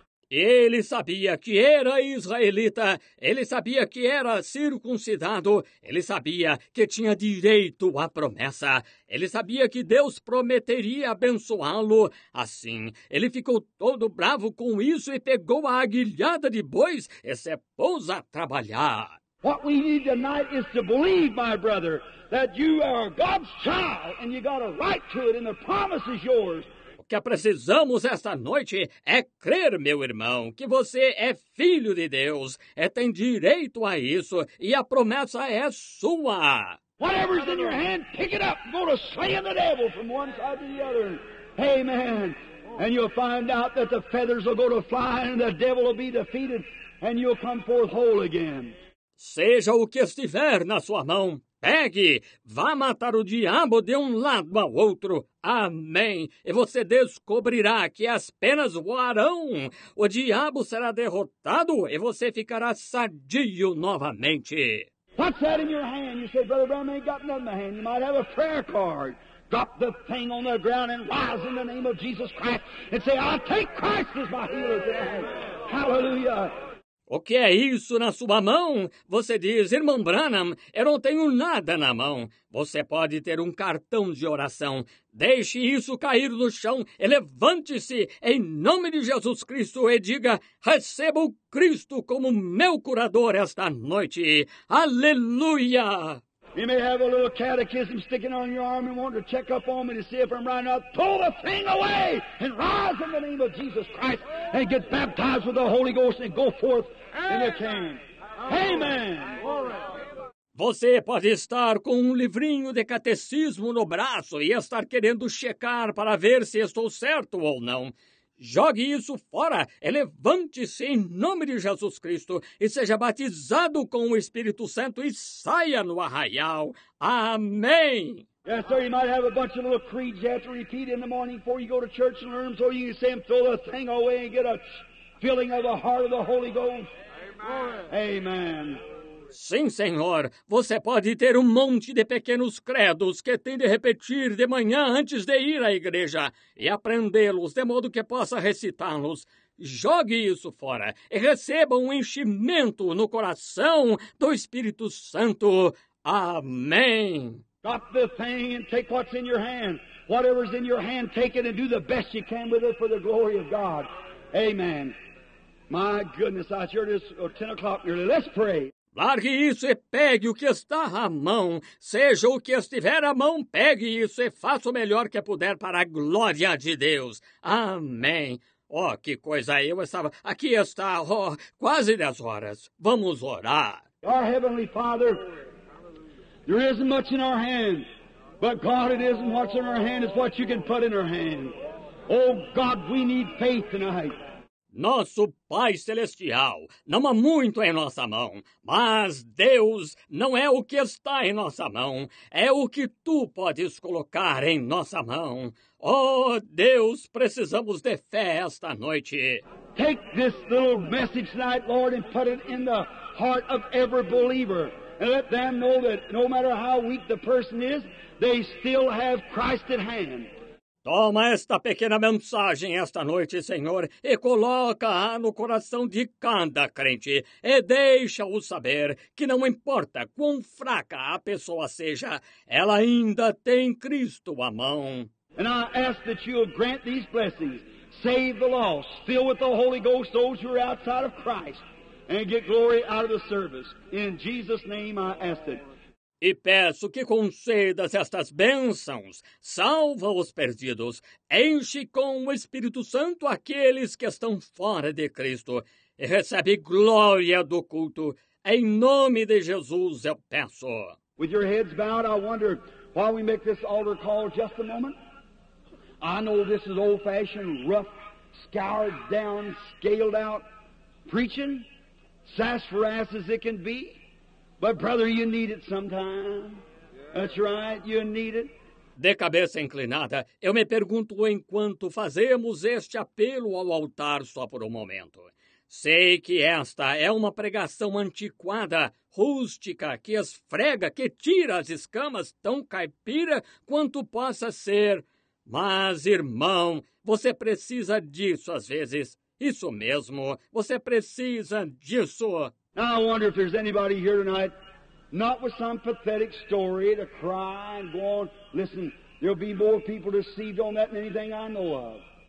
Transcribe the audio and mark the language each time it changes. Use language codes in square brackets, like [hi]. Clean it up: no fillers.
[pt] Ele sabia que era israelita, ele sabia que era circuncidado, ele sabia que tinha direito à promessa, ele sabia que Deus prometeria abençoá-lo. Assim, ele ficou todo bravo com isso e pegou a aguilhada de bois e se pôs a trabalhar. [en] What we need tonight is to believe, my brother, that you are God's child and you got a right to it and the promise is yours. [pt] O que precisamos esta noite é crer, meu irmão, que você é filho de Deus, e tem direito a isso, e a promessa é sua. [en] Whatever's in your hand, pick it up and go to slaying the devil from one side to the other. Amen. And you'll find out that the feathers will go to fly and the devil will be defeated and you'll come forth whole again. [pt] Seja o que estiver na sua mão. Pegue, vá matar o diabo de um lado ao outro. Amém. E você descobrirá que as penas voarão. O diabo será derrotado e você ficará sadio novamente. [en] What's that in your hand? You say, Brother Brown ain't got nothing in my hand. You might have a prayer card. Drop the thing on the ground and rise in the name of Jesus Christ and say, I'll take Christ as my healer today. Hallelujah. [pt] O que é isso na sua mão? Você diz, irmão Branham, eu não tenho nada na mão. Você pode ter um cartão de oração. Deixe isso cair no chão e levante-se em nome de Jesus Cristo e diga, recebo Cristo como meu curador esta noite. Aleluia! [en] You may have a little catechism sticking on your arm and want to check up on me to see if I'm right. Now, pull the thing away and rise in the name of Jesus Christ and get baptized with the Holy Ghost and go forth in your camp. Amen. [pt] Você pode estar com um livrinho de catecismo no braço e estar querendo checar para ver se estou certo ou não. Jogue isso fora, levante-se em nome de Jesus Cristo e seja batizado com o Espírito Santo e saia no arraial. Amém! [en] Yes, sir, you might have a bunch of little creeds you have to repeat in the morning before you go to church and learn, so you can say, fill the thing away and get a filling of the heart of the Holy Ghost. Amen! Amen. [pt] Sim, Senhor, você pode ter um monte de pequenos credos que tem de repetir de manhã antes de ir à igreja e aprendê-los de modo que possa recitá-los. Jogue isso fora e receba um enchimento no coração do Espírito Santo. Amém. [en] Drop the thing and take what's in your hand. Whatever's in your hand, take it and do the best you can with it for the glory of God. Amen. My goodness, I sure just 10 o'clock nearly. Let's pray. [pt] Largue isso e pegue o que está à mão. Seja o que estiver à mão, pegue isso e faça o melhor que puder para a glória de Deus. Amém. Oh, que coisa aí. Eu estava... Aqui está, oh, quase 10 horas. Vamos orar. [en] Our Heavenly Father, there isn't much in our hand, but God, it isn't what's in our hand, it's what you can put in our hand. Oh, God, we need faith tonight. [pt] Nosso Pai Celestial, não há muito em nossa mão, mas Deus não é o que está em nossa mão, é o que Tu podes colocar em nossa mão. Oh, Deus, precisamos de fé esta noite. [en] Take this little message tonight, Lord, and put it in the heart of every believer. And let them know that no matter how weak the person is, they still have Christ at hand. [pt] Toma esta pequena mensagem esta noite, Senhor, e coloca-a no coração de cada crente. E deixa-o saber que não importa quão fraca a pessoa seja, ela ainda tem Cristo à mão. [en] And I ask that you grant these blessings, save the lost, fill with the Holy Ghost those who are outside of Christ, and get glory out of the service. In Jesus' name I ask it. [pt] E peço que concedas estas bênçãos, salva os perdidos, enche com o Espírito Santo aqueles que estão fora de Cristo e recebe glória do culto. Em nome de Jesus eu peço. [en] With your heads bowed, I wonder why we make this altar call just a moment. I know this is old-fashioned, rough, scoured down, scaled out preaching, sassafras as it can be. But brother, you need it sometime. That's right, you need it. [pt] De cabeça inclinada, eu me pergunto enquanto fazemos este apelo ao altar só por um momento. Sei que esta é uma pregação antiquada, rústica, que esfrega, que tira as escamas tão caipira quanto possa ser. Mas, irmão, você precisa disso às vezes. Isso mesmo. Você precisa disso. [en] Now I wonder if there's anybody here tonight, not with some pathetic story to cry and go on. Listen, there'll be more people deceived on that than anything I know of.